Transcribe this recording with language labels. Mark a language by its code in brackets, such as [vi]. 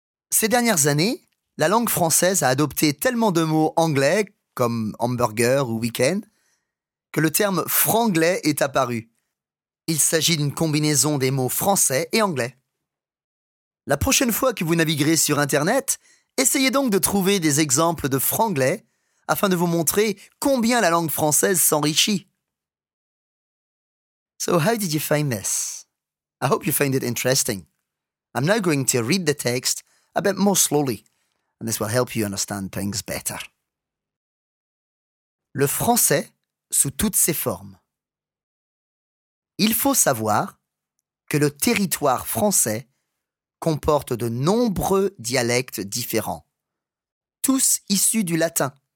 [fr] Ces dernières années, la langue française a adopté tellement de mots anglais, comme hamburger ou week-end, que le terme franglais est apparu. Il s'agit d'une combinaison des mots français et anglais. La prochaine fois que vous naviguerez sur Internet, essayez donc de trouver des exemples de franglais afin de vous montrer combien la langue française s'enrichit. [en] So how did you find this? I hope you find it interesting. I'm now going to read the text a bit more slowly, and this will help you understand things better. [fr] Le français sous toutes ses formes. Il faut savoir que le territoire français comporte de nombreux dialectes différents, tous issus du latin.